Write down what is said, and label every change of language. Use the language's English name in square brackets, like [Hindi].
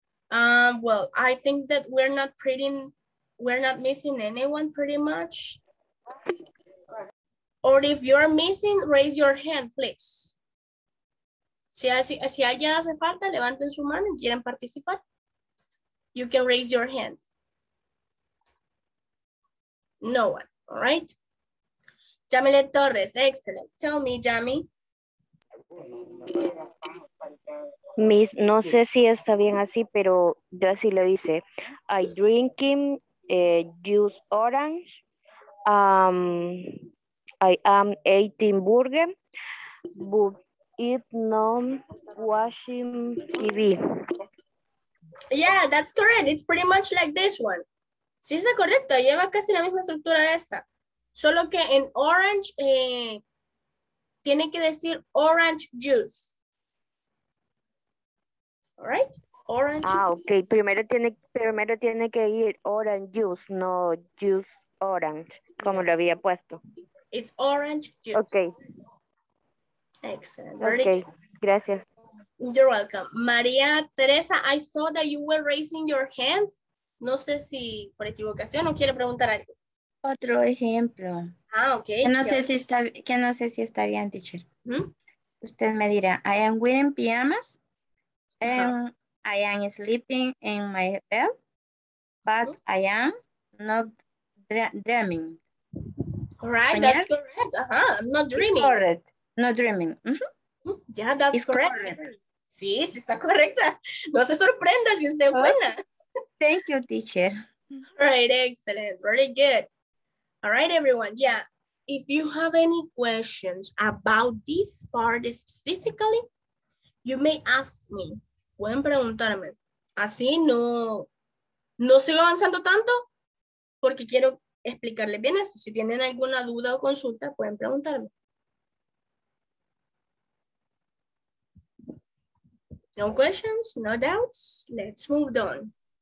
[English] Well, I think that we're not missing anyone pretty much. Or if you're missing, raise your hand, please. [Spanish] Si alguien hace falta, levanten su mano y quieren participar. [English] You can raise your hand. No one, all right? Yamile Torres, excellent. Tell me, Yami. [Spanish] Miss, no sé si está bien así, pero yo así lo hice. [English] I drinking juice orange. I am eating burger, but it's not watching TV. Yeah, that's correct. It's pretty much like this one. [Spanish] Sí, es correcto. Lleva casi la misma estructura de esta. Solo que en orange, tiene que decir orange juice. [English] All right? Orange. Ah, okay. [Spanish] Primero tiene que ir orange juice, no juice orange, como lo había puesto. [English] It's orange juice. Okay. Excellent. Okay. Ready? Gracias. You're welcome. Maria Teresa, I saw that you were raising your hand. [Spanish] No sé si por equivocación o quiere preguntar algo. Otro ejemplo. Ah, ok. Que no sé si está bien, teacher. Usted me dirá, [English] I am wearing pyjamas. I am sleeping in my bed, but I am not dreaming. All right, that's correct. I'm not dreaming. Correct. Not dreaming. Yeah, that's correct. [Spanish] Sí, sí, está correcta. No se sorprenda si usted es buena. [English] Thank you, teacher. All right, excellent. Very good. All right, everyone. Yeah, if you have any questions about this part specifically, you may ask me. [Spanish] Pueden preguntarme. Así no sigo avanzando tanto porque quiero explicarles bien eso. Si tienen alguna duda o consulta, pueden preguntarme. [English] No questions, no doubts. Let's move on.